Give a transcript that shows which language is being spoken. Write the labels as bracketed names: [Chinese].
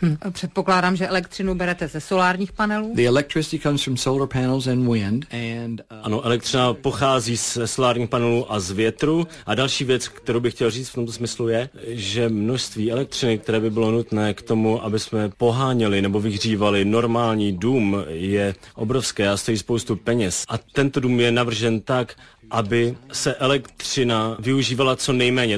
[Czech] Předpokládám, že elektřinu berete ze solárních panelů. [English] The electricity comes from solar panels and wind. [Czech] Ano, elektřina pochází ze solárních panelů a z větru. A další věc, kterou bych chtěl říct v tomto smyslu je, že množství elektřiny, které by bylo nutné k tomu, aby jsme poháněli nebo vyhřívali normální dům, je obrovské a stojí spoustu peněz. A tento dům je navržen tak, aby se elektřina využívala co nejméně.